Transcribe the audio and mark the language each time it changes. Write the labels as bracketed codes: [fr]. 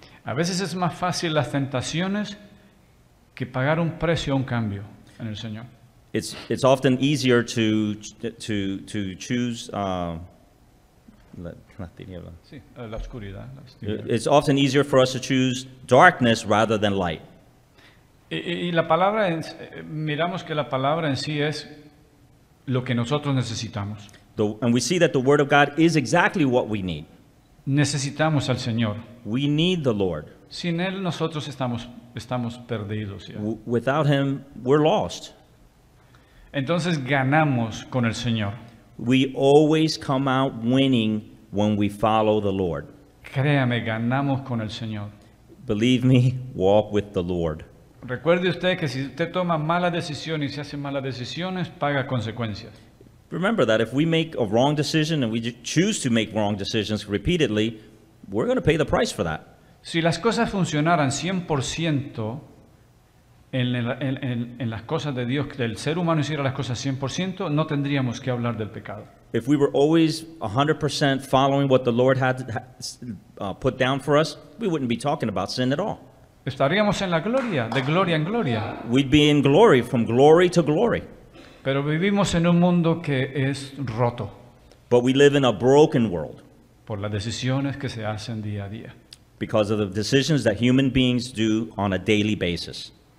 [es] A veces es más fácil las tentaciones que pagar un precio o un cambio en el Señor. [en] It's often easier to choose [es] la oscuridad. [en] It's often easier for us to choose darkness rather than light. [es] Y la palabra, miramos que la palabra en sí es lo que nosotros necesitamos. [en] And we see that the word of God is exactly what we need. [es] Necesitamos al Señor. [en] We need the Lord. [es] Sin él nosotros estamos perdidos. Ya. [en] Without him, we're lost. [es] Entonces ganamos con el Señor. [en] We always come out winning when we follow the Lord. [es] Créame, ganamos con el Señor. [en] Believe me, walk with the Lord. [es] Recuerde usted que si usted toma malas decisiones y se hace malas decisiones, paga consecuencias. [en] Remember that if we make a wrong decision and we choose to make wrong decisions repeatedly, we're going to pay the price for that. [es] Si las cosas funcionaran 100% en las cosas de Dios, del ser humano hiciera las cosas 100%, no tendríamos que hablar del pecado. [en] If we were always 100% following what the Lord had put down for us, we wouldn't be talking about sin at all. [es] Estaríamos en la gloria, de gloria en gloria. [en] We'd be in glory, from glory to glory. [es] Pero vivimos en un mundo que es roto. [en] But we live in a broken world. [es] Por las decisiones que se hacen día a día. [en] Because of the decisions that human beings do on a daily basis.